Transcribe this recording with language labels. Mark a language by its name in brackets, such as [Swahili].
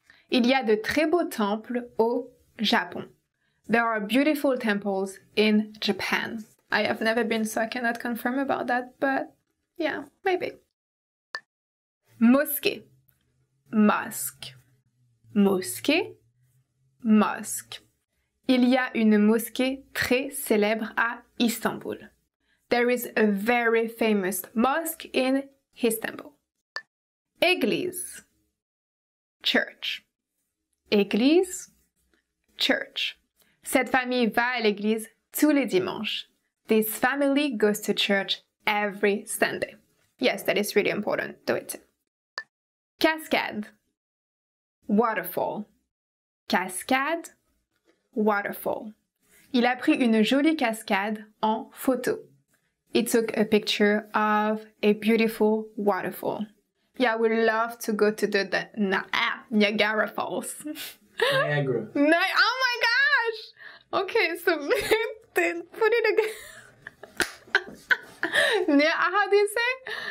[French] Il y a de très beaux temples au Japon. [English] There are beautiful temples in Japan. I have never been, so I cannot confirm about that, but yeah, maybe. [French] Mosquée. Mosque. Mosquée, mosque. Il y a une mosquée très célèbre à Istanbul. [English] There is a very famous mosque in Istanbul. [French] Église, church. Église, church. Cette famille va à l'église tous les dimanches. [English] This family goes to church every Sunday. Yes, that is really important. Do it. Cascade. Waterfall. Cascade. Waterfall. [French] Il a pris une jolie cascade en photo. [English] He took a picture of a beautiful waterfall. Yeah, I would love to go to the Niagara Falls. Niagara. Oh my gosh! Okay, so put it again. How do you say?